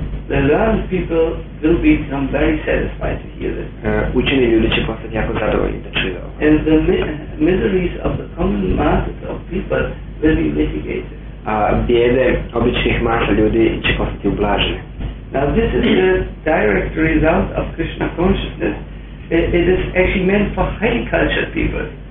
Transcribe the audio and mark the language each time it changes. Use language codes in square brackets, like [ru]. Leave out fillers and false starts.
[en] The learned people will become very satisfied to hear this. [hr] Učeni ljudi će postati jako zadovoljni da čuju ovo. [en] And the miseries of the common masses of people will be mitigated. [hr] A bijede običnih masa ljudi će postati ublažene. [en] Now this is the direct result of Krishna consciousness. It is actually meant for highly cultured people.